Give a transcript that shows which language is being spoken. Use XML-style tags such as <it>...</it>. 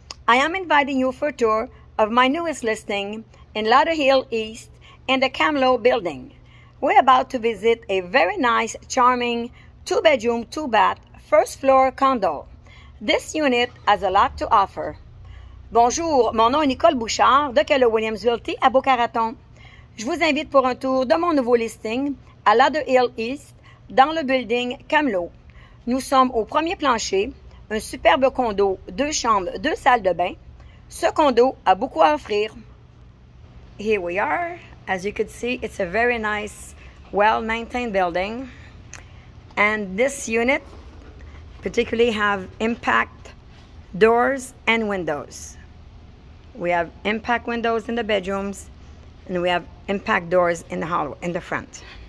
<en>I am inviting you for a tour of my newest listing in Lauderhill East in the Camlo building. We're about to visit a very nice, charming two-bedroom, two-bath, first-floor condo. This unit has a lot to offer.</en> <fr>Bonjour, mon nom est Nicole Bouchard de Keller Williams Realty à Boca Raton. Je vous invite pour un tour de mon nouveau listing à Lauderhill East dans le building Camlo. Nous sommes au premier plancher, un superbe condo, deux chambres, deux salles de bain. Ce condo a beaucoup à offrir.</fr> <en>Here we are. As you could see, it's a very nice, well-maintained building. And this unit particularly have impact doors and windows. We have impact windows in the bedrooms, and we have impact doors in the hallway, in the front.</en>